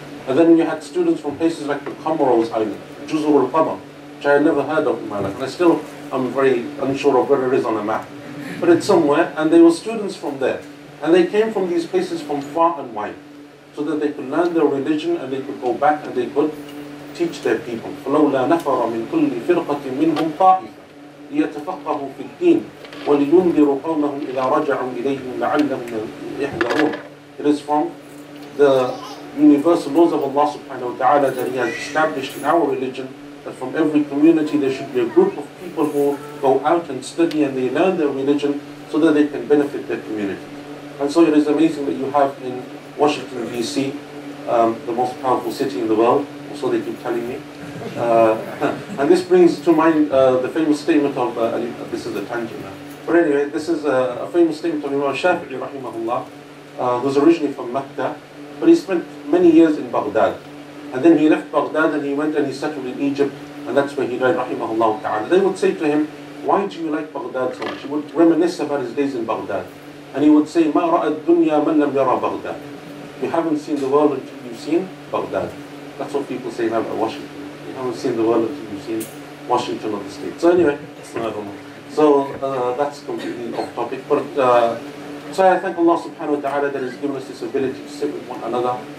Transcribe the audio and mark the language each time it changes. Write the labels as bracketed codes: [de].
[en] And then you had students from places like the Comoros Island, Juzur al-Qamar, which I had never heard of in my life. And I still am very unsure of where it is on a map. But it's somewhere, and they were students from there. And they came from these places from far and wide, so that they could learn their religion, and they could go back, and they could teach their people. [ar] فَلَوْلَا نَفَرَ مِنْ كُلِّ فِرْقَةٍ مِنْهُمْ طَائِفٌ ليتفقهوا في الدين ولينذروا قومهم إذا رجعوا إليهم لعلهم يحذرون. [en] It is from the universal laws of Allah subhanahu wa ta'ala that he has established in our religion that from every community there should be a group of people who go out and study and they learn their religion so that they can benefit their community. And so it is amazing that you have in Washington DC, the most powerful city in the world, so they keep telling me. And this brings to mind the famous statement of, this is a tangent now. But anyway, this is a famous statement of Imam Shafi'i rahimahullah, who's originally from Mecca, but he spent many years in Baghdad. And then he left Baghdad and he went and he settled in Egypt, and that's where he died rahimahullah ta'ala. They would say to him, why do you like Baghdad so much? He would reminisce about his days in Baghdad. [ar] And he would say, ما رأى الدنيا من لم يرى بغداد. [en] You haven't seen the world until you've seen Baghdad. That's what people say now about Washington. I haven't seen the world until you've seen Washington on the state. So anyway, So that's completely off topic. But so I thank Allah subhanahu wa ta'ala that has given us this ability to sit with one another.